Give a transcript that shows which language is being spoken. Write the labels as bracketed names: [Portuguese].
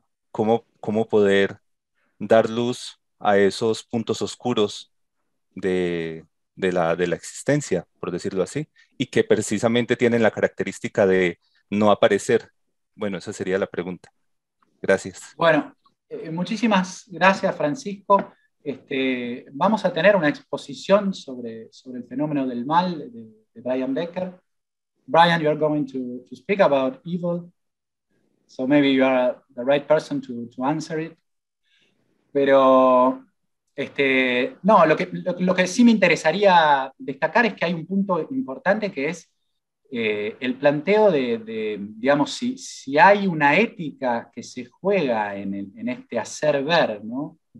[Spanish] cómo poder dar luz a esos puntos oscuros de la existencia, por decirlo así, y que precisamente tienen la característica de no aparecer. Bueno, esa sería la pregunta. Gracias. Bueno, muchísimas gracias, Francisco. Vamos a tener una exposición sobre el fenómeno del mal de Brian Becker. [English] Brian, you are going to speak about evil, so maybe you are the right person to answer it. [Spanish] Pero no, lo que sí me interesaría destacar es que hay un punto importante que es el planteo de digamos, si hay una ética que se juega en este hacer ver, ¿no?